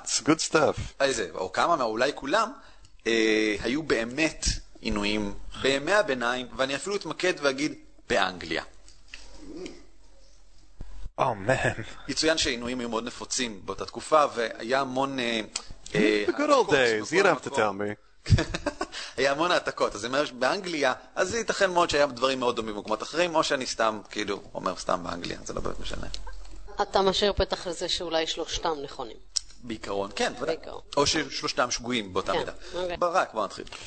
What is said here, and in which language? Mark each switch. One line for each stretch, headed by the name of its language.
English: It's good stuff.
Hebrew: איזה, או כמה, אולי כולם, היו באמת עינויים בימי הביניים, ואני אפילו אתמקד ואגיד באנגליה.
English: Oh, man.
Hebrew: יצוין שעינויים היו מאוד נפוצים באותה תקופה, והיה המון...
English: The good old days, you don't have to tell me.
Hebrew: היה המון העתקות, אז אם היה באנגליה, אז ייתכן מאוד שהיה דברים מאוד דומים במקומות אחרים, או שאני סתם, כאילו, אומר סתם באנגליה, זה לא באמת משנה. אתה משאיר פתח לזה שאולי שלושתם נכונים. בעיקרון, כן. בעיקרון. או ששלושתם שגויים באותה מידה. ברק, בוא נתחיל.